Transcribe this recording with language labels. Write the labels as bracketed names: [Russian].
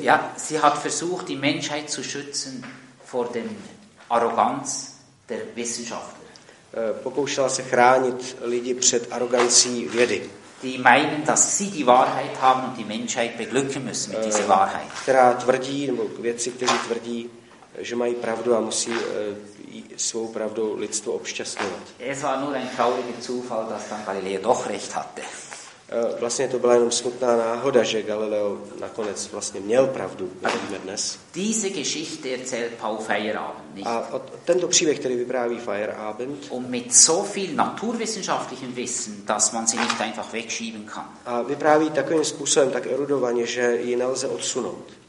[German] Ja, sie hat versucht, die Menschheit zu schützen vor dem Arroganz der Wissenschaftler. [Czech] Pokoušela se chránit lidi před arogancí vědy. [German] Die meinen, dass sie die Wahrheit haben und die Menschheit beglücken müssen mit dieser Wahrheit. [Czech] Která tvrdí, nebo věci, kteří tvrdí, že mají pravdu a musí svou pravdou lidstvo obšťastňovat. [German] Es war nur ein trauriger Zufall, dass dann Galileo doch recht hatte. [Czech] Vlastně to byla jenom smutná náhoda, že Galileo nakonec vlastně měl pravdu, vidíme dnes. [German] Diese Geschichte erzählt Paul Feyerabend nicht. [Czech] A tento příběh, který vypráví Feyerabend. [German] Und mit so viel naturwissenschaftlichem Wissen, dass man sie nicht einfach wegschieben kann. [Czech] A vypráví takovým způsobem, tak erudovaně, že ji nelze odsunout.